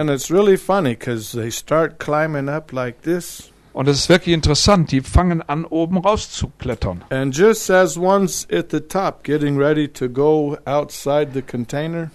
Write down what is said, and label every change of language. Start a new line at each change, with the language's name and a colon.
English: And it's really funny because they start climbing up like this.
German: Und es ist wirklich interessant, die fangen an oben rauszuklettern.
English: And just as ones at the top getting ready to go outside the container.